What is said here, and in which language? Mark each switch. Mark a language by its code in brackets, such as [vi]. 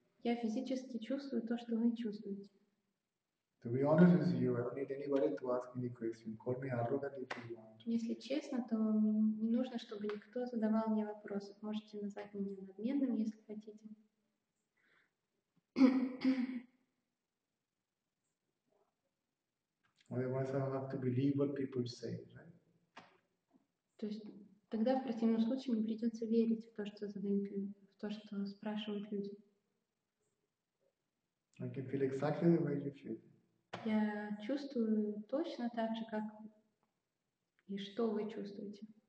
[ru] Я физически чувствую то, что вы чувствуете. [en] To be honest with you, I don't need anybody to ask any question. Call me arrogant if you want. [ru] Если честно, то не нужно, чтобы никто задавал мне вопросы. Можете назвать меня надменным, если хотите. [en] Otherwise, I'll have to believe what people say, right? [ru] То есть тогда в противном случае мне придется верить в то, что задают люди, в то, что спрашивают люди. [en] I can feel exactly the way you feel. [ru] Я чувствую точно так же, как и что вы чувствуете.